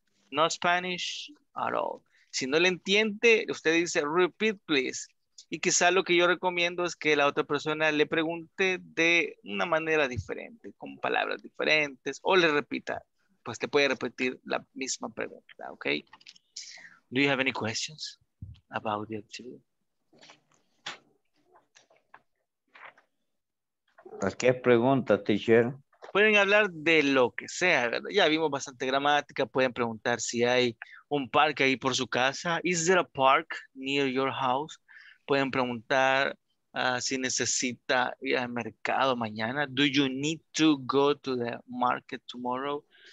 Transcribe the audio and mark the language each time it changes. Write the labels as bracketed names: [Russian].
[English] No Spanish at all. [Spanish] Si no le entiende, usted dice, [English] repeat, please. [Spanish] Y quizá lo que yo recomiendo es que la otra persona le pregunte de una manera diferente, con palabras diferentes, o le repita, pues te puede repetir la misma pregunta, ¿ok? [English] Do you have any questions about the activity? [Spanish] ¿A qué pregunta, teacher? Pueden hablar de lo que sea, ¿verdad? Ya vimos bastante gramática, pueden preguntar si hay un parque ahí por su casa. [English] Is there a park near your house? [Spanish] Pueden preguntar si necesita ir al mercado mañana. [English] Do you need to go to the market tomorrow?